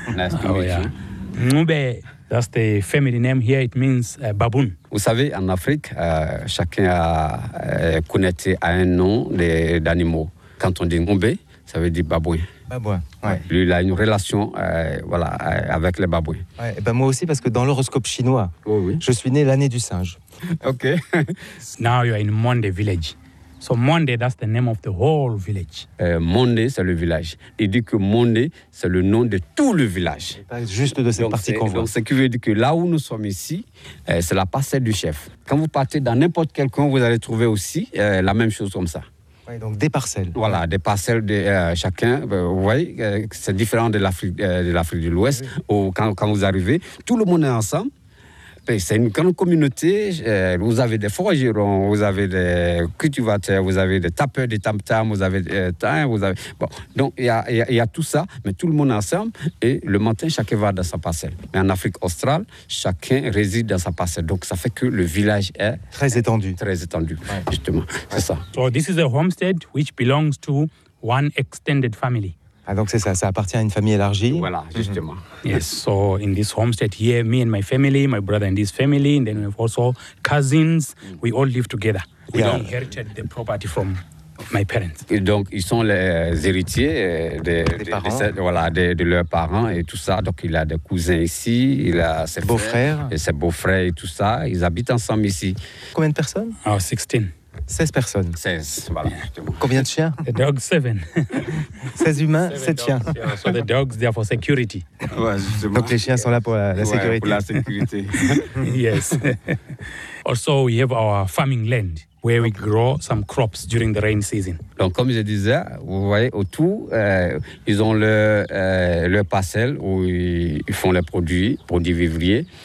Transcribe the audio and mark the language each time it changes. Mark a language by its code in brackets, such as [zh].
[en] Ngobe, that's the family name here, it means baboon. [fr] Vous savez, en Afrique, chacun a connecté à un nom d'animaux. Quand on dit Ngobe, ça veut dire babouin. Babouin, ouais. Lui, il a une relation avec les babouins. Ouais, ben moi aussi, parce que dans l'horoscope chinois, oui. Je suis né l'année du singe. Ok. [en] Now you are in Monde village. So Monde, that's the name of the whole village. [fr] Monde, c'est le village. Il dit que Monde, c'est le nom de tout le village. Pas juste de cette partie qu'on voit. Donc, ce qui veut dire que là où nous sommes ici, c'est la parcelle du chef. Quand vous partez dans n'importe quel coin, vous allez trouver aussi la même chose comme ça. Ouais, donc des parcelles. Voilà, des parcelles de chacun. Vous voyez, c'est différent de l'Afrique de l'Ouest. Oui. Où, quand vous arrivez, tout le monde est ensemble. C'est une grande communauté. Vous avez des forgerons, vous avez des cultivateurs, vous avez des tapeurs de tam-tam, vous avez des thym, vous avez... Bon, donc il y a tout ça, mais tout le monde ensemble. Et le matin, chacun va dans sa parcelle. Mais en Afrique australe, chacun réside dans sa parcelle. Donc ça fait que le village est... Très étendu. Très étendu, ouais. Justement. Ouais. C'est ça. [en] So this is a homestead which belongs to one extended family. [fr] Ah donc c'est ça, ça appartient à une famille élargie. Voilà, justement. Mm-hmm. [en] Yes, so in this homestead here, me and my family, my brother and his family, and then we have also cousins, we all live together. We yeah. inherited the property from my parents. [fr] Et donc ils sont les héritiers de leurs parents et tout ça. Donc il a des cousins ici, il a ses beaux-frères. Et ses beaux-frères et tout ça, ils habitent ensemble ici. Combien de personnes? [en] Oh, 16. [fr] 16 personnes. 16, voilà. Combien de chiens? [en] The dogs, 7. [fr] 16 humains, 7 chiens. [en] So the dogs, they are for security. [fr] Ouais, justement. Donc les chiens sont là pour la sécurité. Pour la sécurité. [en] Yes. Also, we have our farming land, where we grow some crops during the rain season. [fr] Donc comme je disais, vous voyez, autour, ils ont leur parcelle où ils font les produits vivriers.